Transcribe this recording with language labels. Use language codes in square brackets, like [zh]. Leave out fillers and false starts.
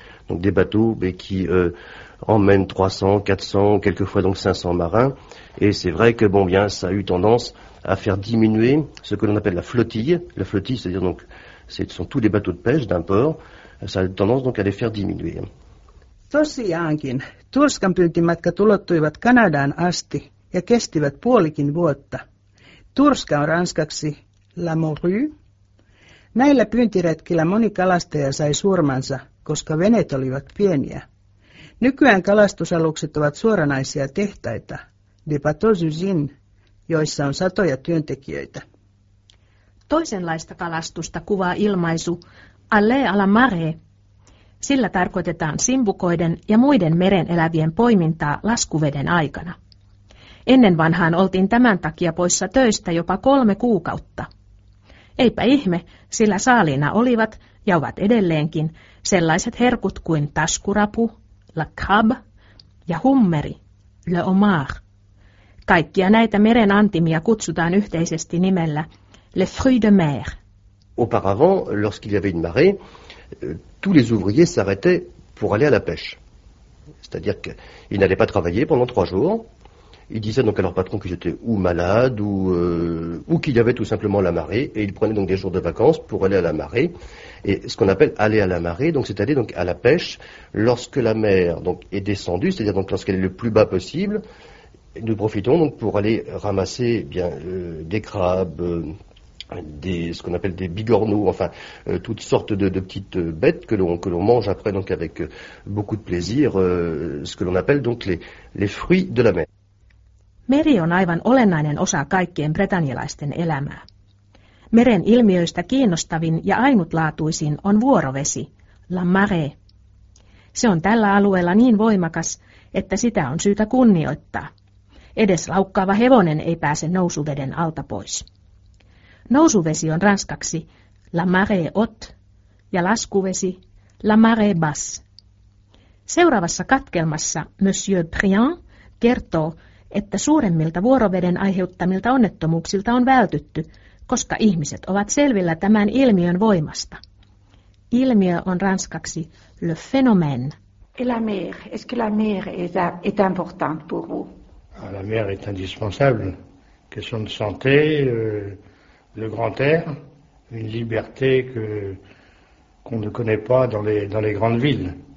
[fr] Donc des bateaux mais qui emmènent 300, 400, quelquefois donc 500 marins. Et c'est vrai que bon bien, ça a eu tendance à faire diminuer ce que l'on appelle la flottille. La flottille, c'est-à-dire donc, ce sont tous les bateaux de pêche d'un port. Ça a eu tendance donc à les faire diminuer. [fi] Tosiaankin, Turskan pyyntimatkat ulottuivat Kanadaan asti ja kestivät puolikin vuotta. Turska on ranskaksi [fr] la morue. [fi] Näillä pyyntiretkillä moni kalastaja sai surmansa, koska veneet olivat pieniä. Nykyään kalastusalukset ovat suoranaisia tehtaita, de patosusin, joissa on satoja työntekijöitä. Toisenlaista kalastusta kuvaa ilmaisu [fr] allée à la marée. [fi] Sillä tarkoitetaan simpukoiden ja muiden meren elävien poimintaa laskuveden aikana. Ennen vanhaan oltiin tämän takia poissa töistä jopa 3 kuukautta. Eipä ihme, sillä saaliina olivat ja ovat edelleenkin sellaiset herkut kuin taskurapu, [fr] la crabe, [fi] ja hummeri, [fr] le homard. [fi] Kaikkia näitä meren antimia kutsutaan yhteisesti nimellä [fr] le fruit de mer. Auparavant, lorsqu'il y avait une marée, tous les ouvriers s'arrêtaient pour aller à la pêche. C'est-à-dire qu'ils n'allaient pas travailler pendant trois jours. Ils disaient donc à leur patron qu'ils étaient ou malades ou qu'il y avait tout simplement la marée, et ils prenaient donc des jours de vacances pour aller à la marée. Et ce qu'on appelle aller à la marée, donc c'est aller donc à la pêche lorsque la mer donc est descendue, c'est-à-dire donc lorsqu'elle est le plus bas possible. Nous profitons donc pour aller ramasser des crabes, ce qu'on appelle des bigorneaux, toutes sortes de petites bêtes que l'on mange après donc avec beaucoup de plaisir, ce que l'on appelle donc les fruits de la mer. [fi] Meri on aivan olennainen osa kaikkien bretanialaisten elämää. Meren ilmiöistä kiinnostavin ja ainutlaatuisin on vuorovesi, [fr] la marée. [fi] Se on tällä alueella niin voimakas, että sitä on syytä kunnioittaa. Edes laukkaava hevonen ei pääse nousuveden alta pois. Nousuvesi on ranskaksi [fr] la marée haute [fi] ja laskuvesi [fr] la marée basse. [fi] Seuraavassa katkelmassa Monsieur Briand kertoo, että suuremmilta vuoroveden aiheuttamilta onnettomuuksilta on vältytty, koska ihmiset ovat selvillä tämän ilmiön voimasta. Ilmiö on ranskaksi [fr] le phénomène. Et la mer, est-ce que la mer est importante pour vous? La mer est indispensable. Question de santé, le grand air, une liberté qu'on ne connaît pas dans les grandes villes.